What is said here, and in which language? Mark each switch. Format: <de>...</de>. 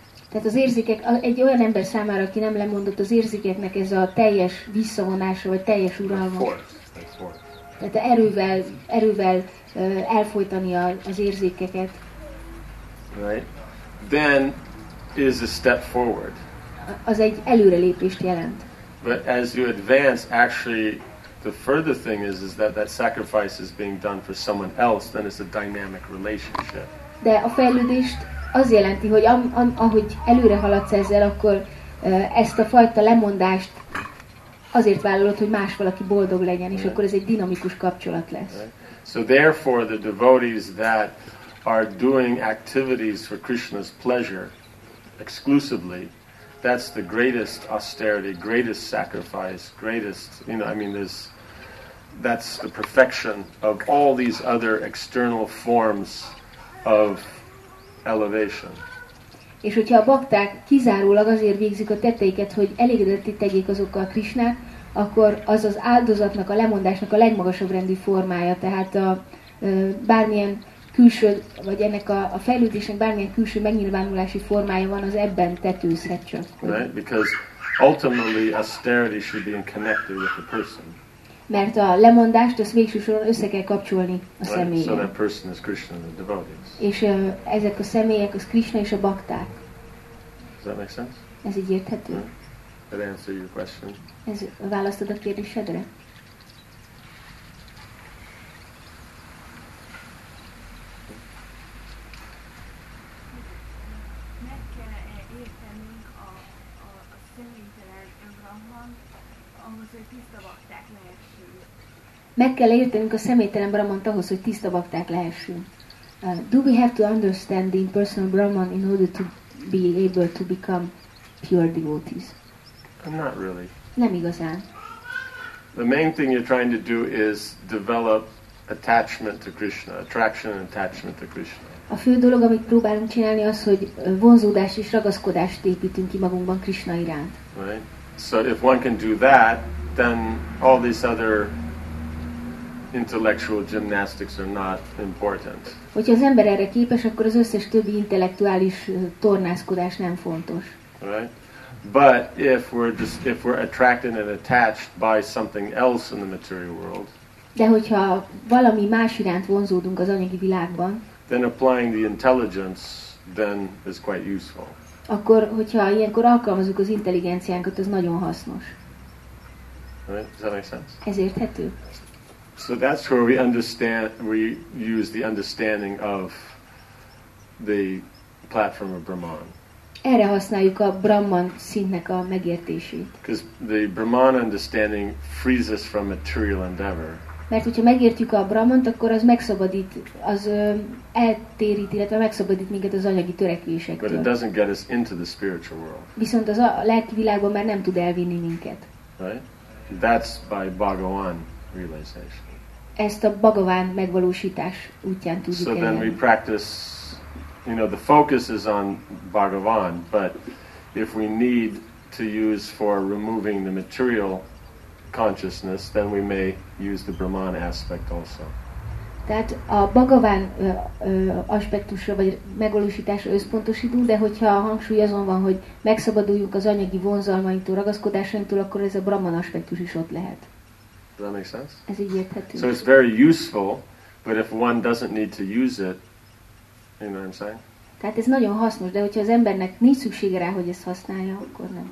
<hu>Tehát az érzékek, egy olyan ember számára, aki nem lemondott, az érzékeknek ez a teljes visszavonása, vagy teljes uralma. Tehát erővel elfolytani az érzékeket.</hu> <en>Right. Then is a step forward.</en> <hu>Az egy előrelépést jelent.</hu> <en>But as you advance, actually, the further thing is that sacrifice is being done for someone else, then it's a dynamic relationship.</en> <hu>De a fejlődést az jelenti, hogy ahogy előre haladsz ezzel, akkor ezt a fajta lemondást azért vállalod, hogy más valaki boldog legyen, és akkor ez egy dinamikus kapcsolat lesz.</hu> <en>So therefore the devotees that are doing activities for Krishna's pleasure exclusively, that's the greatest austerity, greatest sacrifice, greatest, you know, I mean, that's the perfection of all these other external forms of elevation.</en> <hu>És hogyha a bakták kizárólag azért végzik a tetteiket, hogy elégedetté tegyék azokkal Krishnát, akkor az az áldozatnak, a lemondásnak a legmagasabb rendű formája. Tehát bármilyen külső, vagy ennek a fejlődésnek bármilyen külső megnyilvánulási formája van, az ebben tetőzhet csak.</hu> <en>Right? Because ultimately austerity should be connected with the person.</en> <hu>Mert a lemondást az végső soron össze kell kapcsolni a személyen.</hu> <en>Right? So that person is Krishna and the devotees.</en> <hu>És ezek a személyek az Krishna és a bakták.</hu> <en>Does that make sense?</en> <hu>Ez így érthető? Yeah.</hu> <en>That answer your question.</en> <hu>Ez választod a kérdésedre? Meg kell-e értenünk a személytelen Brahman, ahhoz, hogy tiszta bakták lehessünk? Meg kell értenünk a személytelen Brahman ahhoz, hogy tiszta bakták lehessünk?</hu> <en>Do we have to understand the impersonal Brahman in order to be able to become pure devotees? Not really.</en> <hu>Nem igazán.</hu> <en>The main thing you're trying to do is develop attachment to Krishna, attraction and attachment to Krishna.</en> <hu>A fő dolog, amit próbálunk csinálni, az, hogy vonzódás és ragaszkodást építünk ki magunkban Krishna iránt.</hu> <en>Right. So if one can do that, then all these other intellectual gymnastics are not important.</en> <hu>Hogyha az ember erre képes, akkor az összes többi intellektuális tornászkodás nem fontos.</hu> <en>Right. But if we're attracted and attached by something else in the material world,</en> <hu>de hogyha valami más iránt vonzódunk az anyagi világban,</hu> <en>then applying the intelligence then is quite useful.</en> <hu>Akkor hogyha ilyenkor alkalmazzuk az intelligenciánkat, az nagyon hasznos.</hu> <en>Right? Does that make sense?</en> <hu>Ez érthető.</hu> <en>So that's where we understand, we use the understanding of the platform of Brahman.</en> <hu>Erre használjuk a Brahman szintnek a megértését.</hu> <en>Because the Brahman understanding frees us from material endeavor.</en> <hu>mert hogyha megértjük a Brahmant, akkor az megszabadít, az eltérít, illetve megszabadít minket az anyagi törekvésektől.</hu> <en>But it doesn't get us into the spiritual world.</en> <hu>Viszont az a lelki világban már nem tud elvinni minket.</hu> <en>Right? That's by Bhagavan realization.</en> <hu>Ezt a Bhagavan megvalósítás útján tudjuk elérni.</hu> <en>So then we practice, you know, the focus is on Bhagavan, but if we need to use for removing the material consciousness, then we may use the Brahman aspect also.</en> <hu>Tehát a Bhagavan aspektusra vagy megvalósításra összpontosítunk, de hogyha a hangsúly azon van, hogy megszabaduljunk az anyagi vonzalmainktól, ragaszkodásainktól, akkor ez a Brahman aspektus is ott lehet.</hu> <en>Does that make sense?</en> <hu>Ez így érthető.</hu> <en>So it's very useful, but if one doesn't need to use it, you know what I'm saying?</en> <hu>Tehát ez nagyon hasznos, de hogyha az embernek nincs szüksége rá, hogy ezt használja, akkor nem.</hu>